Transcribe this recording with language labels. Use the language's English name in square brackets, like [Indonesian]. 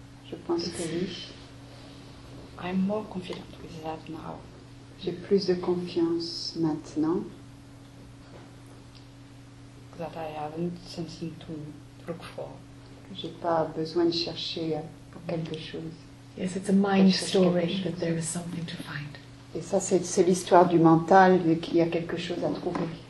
[French] Je pense que oui. [English] I'm more confident with that now. [French] J'ai plus de confiance maintenant. [English] That I haven't something to look for. [French] J'ai pas besoin de chercher pour quelque chose. [English] Yes, it's a mind story that there is something to find. [French] Et ça, c'est l'histoire du mental, qu'il y a quelque chose à trouver.